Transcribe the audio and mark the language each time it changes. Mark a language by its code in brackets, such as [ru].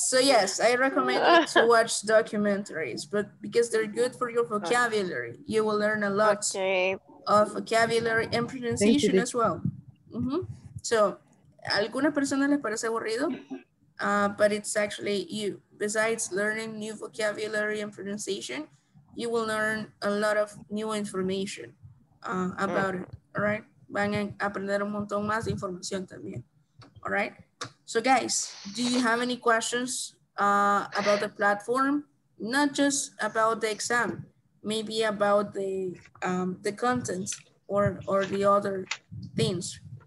[en] So, yes, I recommend you to watch documentaries, but because they're good for your vocabulary, you will learn a lot of vocabulary and pronunciation as well. Mm-hmm. [es] So, ¿alguna persona les parece aburrido? [en] But it's actually you. Besides learning new vocabulary and pronunciation, you will learn a lot of new information about it. All right? [es] Van a aprender un montón más de información también. [en] All right? So guys, do you have any questions about the platform? Not just about the exam, maybe about the content or the other things.